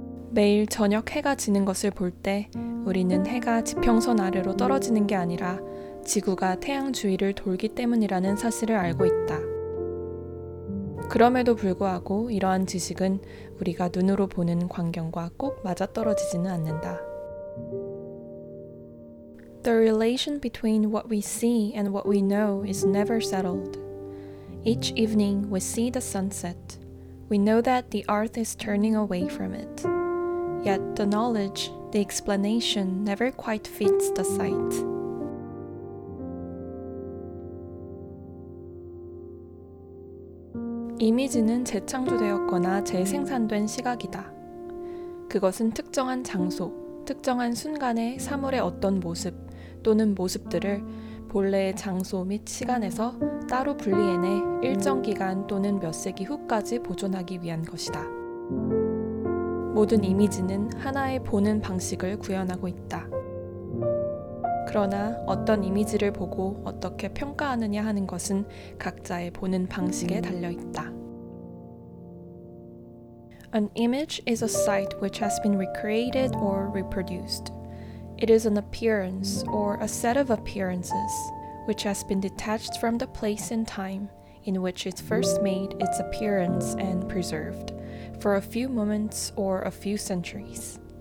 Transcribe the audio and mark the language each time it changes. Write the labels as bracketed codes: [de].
[ko] 매일 저녁 해가 지는 것을 볼 때 우리는 해가 지평선 아래로 떨어지는 게 아니라 지구가 태양 주위를 돌기 때문이라는 사실을 알고 있다. 그럼에도 불구하고 이러한 지식은 우리가 눈으로 보는 광경과 꼭 맞아떨어지지는 않는다. [en] The relation between what we see and what we know is never settled. Each evening we see the sunset. We know that the earth is turning away from it. Yet the knowledge, the explanation, never quite fits the sight. [ko] 이미지는 재창조되었거나 재생산된 시각이다. 그것은 특정한 장소, 특정한 순간에 사물의 어떤 모습, 또는 모습들을 본래의 장소 및 시간에서 따로 분리해내 일정 기간 또는 몇 세기 후까지 보존하기 위한 것이다. 모든 이미지는 하나의 보는 방식을 구현하고 있다. 그러나 어떤 이미지를 보고 어떻게 평가하느냐 하는 것은 각자의 보는 방식에 달려 있다. [en] An image is a sight which has been recreated or reproduced. It is an appearance or a set of appearances which has been detached from the place and time in which it first made its appearance and preserved for a few moments or a few centuries.